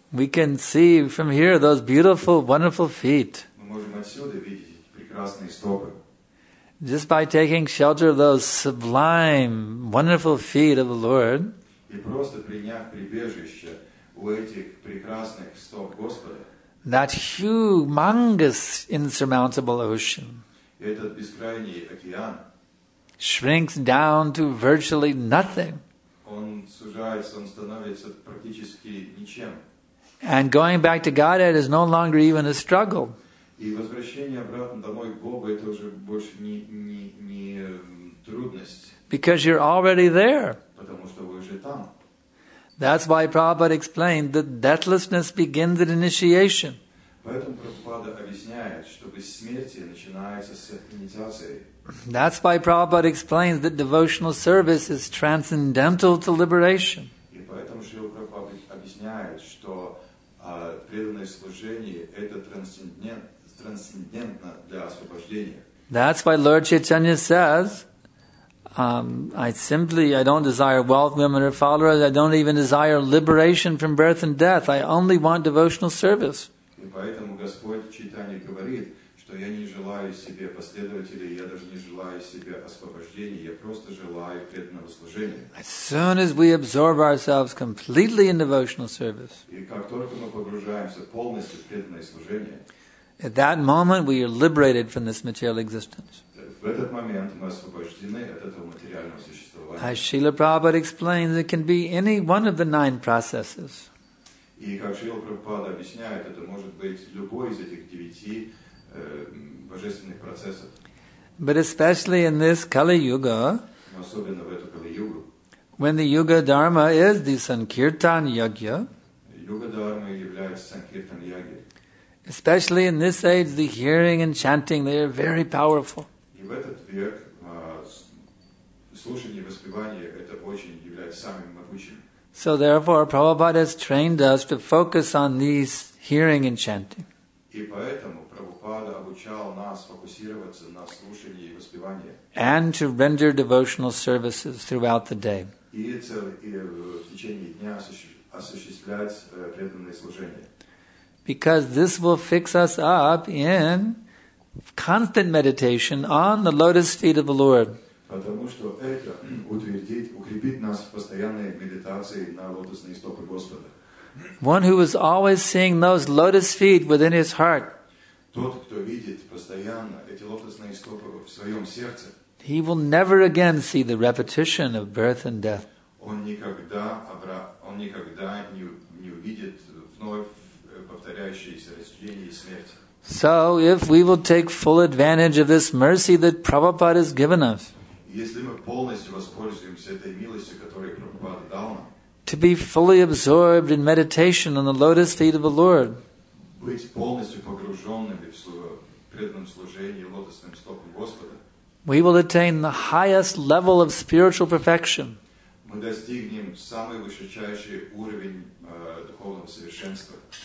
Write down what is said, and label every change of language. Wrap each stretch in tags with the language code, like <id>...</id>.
<en>we can see from here those beautiful, wonderful feet.</en> <ru>Мы можем отсюда видеть эти прекрасные стопы.</ru> <en>Just by taking shelter of those sublime, wonderful feet of the Lord,</en> <ru>и просто приняв прибежище у этих прекрасных стоп Господа,</ru> <en>that humongous, insurmountable ocean,</en> <ru>этот бескрайний океан,</ru> <en>shrinks down to virtually nothing.</en> <ru>Он сужается, он становится практически ничем.</ru> <en>And going back to Godhead is no longer even a struggle.</en> <ru>И возвращение обратно домой к Богу это уже больше не трудность.</ru> <en>Because you're already there.</en> <ru>Потому что вы уже там.</ru> <en>That's why Prabhupada explained that deathlessness begins at initiation.</en> <ru>Поэтому Прабхупада объясняет, что бессмертие начинается с инициации.</ru> <en>That's why Prabhupada explains that devotional service is transcendental to liberation.</en> <ru>И поэтому Шрила Прабхупада объясняет, что преданное служение это трансцендентно для освобождения.</ru> <en>That's why Lord Chaitanya says, I don't desire wealth, women, or followers. I don't even desire liberation from birth and death. I only want devotional service.</en> <ru>И поэтому Господь Чайтанья говорит, что я не желаю себе последователей, я даже не желаю себе освобождения, я просто желаю преданного служения.</ru> <en>As soon as we absorb ourselves completely in devotional service,</en> <ru>и как только мы погружаемся полностью в преданное служение,</ru> <en>at that moment we are liberated from this material existence.</en> <ru>В этот момент мы освобождены от этого материального существования.</ru> <en>As Srila Prabhupada explains, it can be any one of the nine processes.</en> <ru>И как Шрила Прабхупада объясняет, это может быть любой из этих девяти божественных процессов.</ru> <en>But especially in this Kali Yuga,</en> <ru>особенно в эту Kali Yuga,</ru> <en>when the Yuga Dharma is the Sankirtan Yagya,</en> <ru>Yuga Dharma является Sankirtan Yagya.</ru> <en>Especially in this age, the hearing and chanting, they are very powerful.</en> <ru>В этот век слушание и воспевание это очень является самым могучим.</ru> <en>So therefore, Prabhupada has trained us to focus on these hearing and chanting.</en> <ru>И поэтому Прабхупада обучал нас фокусироваться на слушании и воспевании.</ru> <en>And to render devotional services throughout the day.</en> <ru>И в течение дня осуществлять преданное служение.</ru> <en>Because this will fix us up in constant meditation on the lotus feet of the Lord.</en> <ru>Потому что это укрепит нас в постоянной медитации на лотосные стопы Господа.</ru> <en>One who is always seeing those lotus feet within his heart.</en> <ru>Тот, кто видит постоянно эти лотосные стопы в своем сердце.</ru> <en>He will never again see the repetition of birth and death.</en> <ru>Он никогда не увидит вновь повторяющееся рождение и смерть.</ru> <en>So, if we will take full advantage of this mercy that Prabhupada has given us,</en> <ru>если мы полностью воспользуемся этой милостью, которую Прабхупада дал нам,</ru> <en>to be fully absorbed in meditation on the lotus feet of the Lord,</en> <ru>быть полностью погруженными в преданном служении лотосным стопам Господа,</ru> <en>we will attain the highest level of spiritual perfection.</en> <ru>Мы достигнем самый высочайший уровень духовного совершенства.</ru>